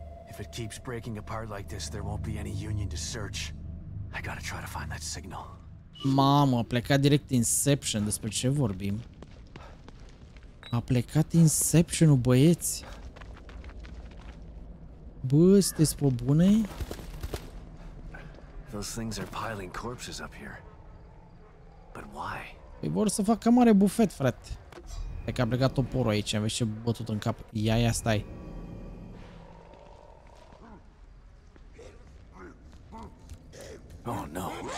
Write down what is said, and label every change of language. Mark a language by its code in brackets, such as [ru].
[en] If it keeps breaking apart like this, there won't be any union to search. I gotta try to find that signal. [ro] Mamă, a plecat direct Inception, despre ce vorbim? A plecat Inception-ul, băieți. Bă, sunteți pe bune? [en] Those things are piling corpses up here. But why? [ro] Păi vor să facă mare bufet, frate. Stai că a plecat toporul aici, vezi ce bătut în cap. Ia, ia, stai. [en] Oh, no.